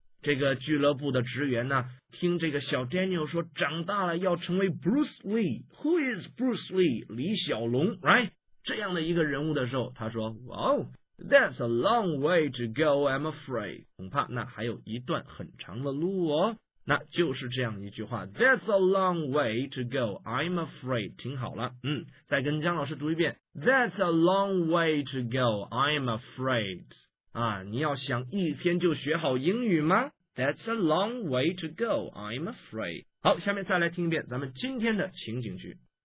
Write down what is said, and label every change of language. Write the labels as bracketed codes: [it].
[zh] 这个俱乐部的职员呢，听这个小 Daniel 说长大了要成为 Bruce Lee， [en] Who is Bruce Lee？ [zh] 李小龙 ，right？ 这样的一个人物的时候，他说 ， [en] Wow， that's a long way to go， I'm afraid， [zh] 恐怕那还有一段很长的路哦。那就是这样一句话 ， [en] That's a long way to go， I'm afraid。 [zh] 听好了，嗯，再跟江老师读一遍 ， [en] That's a long way to go， I'm afraid。 [zh] 啊，你要想一天就学好英语吗 [en] ？That's a long way to go, I'm afraid. [zh] 好，下面再来听一遍咱们今天的情景剧。